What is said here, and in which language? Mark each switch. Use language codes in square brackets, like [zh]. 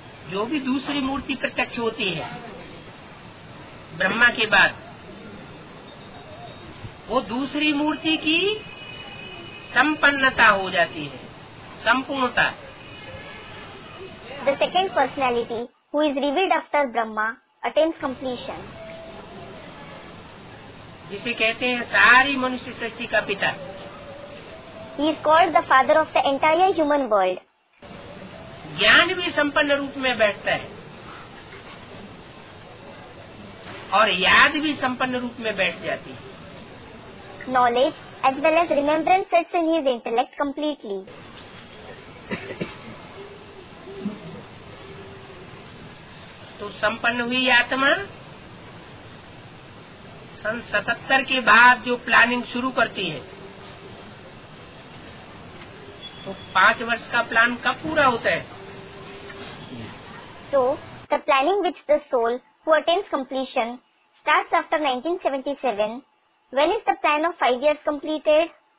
[hi] जो भी दूसरी मूर्ति प्रत्यक्ष होती है ब्रह्मा के बाद, वो दूसरी मूर्ति की संपन्नता हो जाती है, संपूर्णता। [en] The second personality who is revealed after Brahma attains completion. [hi] जिसे कहते हैं सारी मनुष्य सृष्टि का पिता। [en] He is called the father of the entire human world. [hi] ज्ञान भी संपन्न रूप में बैठता है और याद भी संपन्न रूप में बैठ जाती है। [en] Knowledge as well as remembrance sits in his intellect completely. [hi] तो संपन्न हुई आत्मा 77 के बाद जो प्लानिंग शुरू करती है, तो 5 वर्ष का प्लान कब पूरा होता है? [en] So, the planning which the soul who attains completion starts after 1977, when is the plan of 5 years completed?